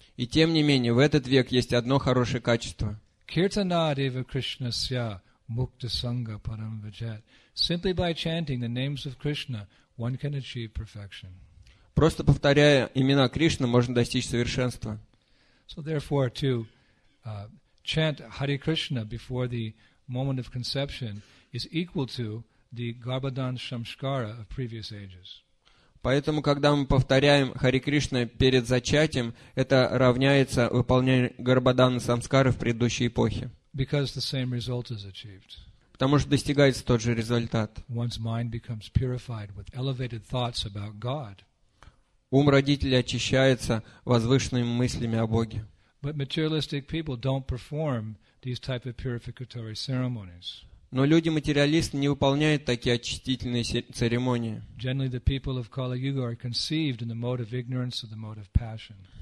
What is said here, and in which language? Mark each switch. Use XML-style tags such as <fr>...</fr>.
<ru>И тем не менее, в этот век есть одно хорошее качество.</ru> <sa>Kirtanad eva krishnasya mukta sanga param vajet.</sa> <en>Simply by chanting the names of Krishna, one can achieve perfection.</en> <ru>Просто повторяя имена Кришны, можно достичь совершенства.</ru> <en>So therefore, to chant Hare Krishna before the moment of conception is equal to the Garbhadan Samskara of previous ages.</en> <ru>Поэтому, когда мы повторяем Хари Кришна перед зачатием, это равняется выполнению Гарбхадана Самскары в предыдущей эпохе.</ru> <en>Because the same result is achieved.</en> <ru>Потому что достигается тот же результат.</ru> <en>One's mind becomes purified with elevated thoughts about God.</en> <ru>Ум родителей очищается возвышенными мыслями о Боге.</ru> <en>But materialistic people don't perform these type of purificatory ceremonies.</en> <ru>Но люди-материалисты не выполняют такие очистительные церемонии.</ru> <en>Generally, the people of Kali-Yuga are conceived in the mode of ignorance or the mode of passion.</en>